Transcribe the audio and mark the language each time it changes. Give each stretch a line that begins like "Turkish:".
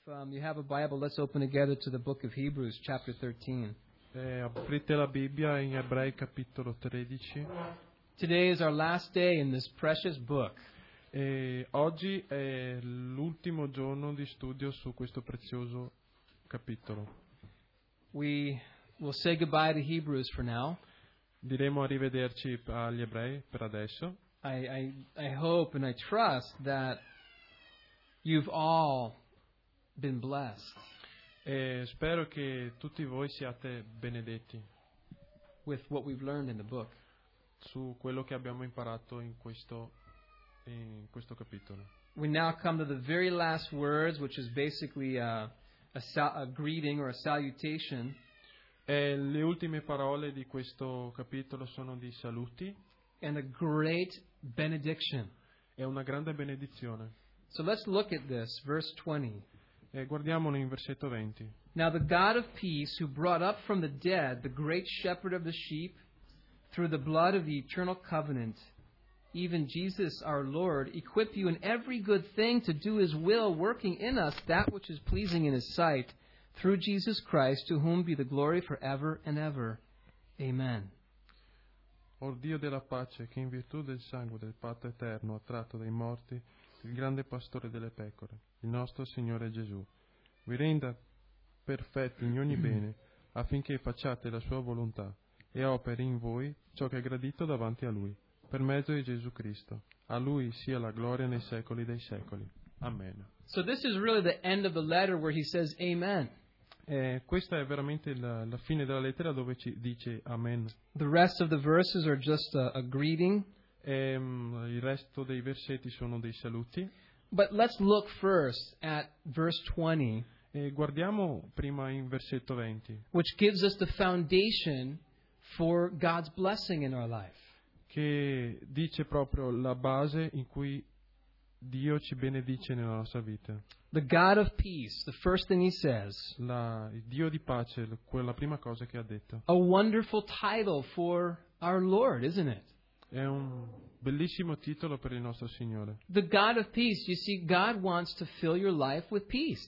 English: You have a Bible, let's open together to the book of Hebrews, chapter 13.
Italian: Aprite la Bibbia in Ebrei, capitolo 13.
English: Today is our last day in this precious book.
Italian: E oggi è l'ultimo giorno di studio su questo prezioso capitolo.
English: We will say goodbye to Hebrews for now.
Italian: Diremo arrivederci agli Ebrei per adesso.
English: I hope and I trust that you've all been blessed.
Italian: E spero che tutti voi siate benedetti.
English: With what we've learned in the book.
Italian: Su quello che abbiamo imparato in questo capitolo.
English: We now come to the very last words, which is basically a greeting or a salutation.
Italian: E le ultime parole di questo capitolo sono di saluti.
English: And a great benediction.
Italian: È una grande benedizione.
English: So let's look at this, verse 20.
Italian: E guardiamolo in versetto 20.
English: Now the God of peace, who brought up from the dead the great shepherd of the sheep, through the blood of the eternal covenant, even Jesus our Lord, equip you in every good thing to do his will, working in us that which is pleasing in his sight, through Jesus Christ, to whom be the glory forever and ever. Amen.
Italian: Or Dio della pace, che in virtù del sangue del patto eterno ha tratto dai morti il grande pastore delle pecore, il nostro Signore Gesù, vi renda perfetti in ogni bene, affinché facciate la sua volontà e operi in voi ciò che è gradito davanti a Lui, per mezzo di Gesù Cristo. A Lui sia la gloria nei secoli dei secoli. Amen.
English: So this is really the end of the letter where he says amen.
Italian: Questa è veramente la fine della lettera dove ci dice amen.
English: The rest of the verses are just a greeting.
Italian: Il resto dei versetti sono dei saluti.
English: But let's look first at verse 20.
Italian: E guardiamo prima in versetto 20.
English: Which gives us the foundation for God's blessing in our life.
Italian: Che dice proprio la base in cui Dio ci benedice nella nostra vita.
English: The God of peace, the first thing he says.
Italian: Il Dio di pace, quella prima cosa che ha detto.
English: A wonderful title for our Lord, isn't it?
Italian: È un bellissimo titolo per il nostro Signore.
English: The God of peace, you see, God wants to fill your life with peace.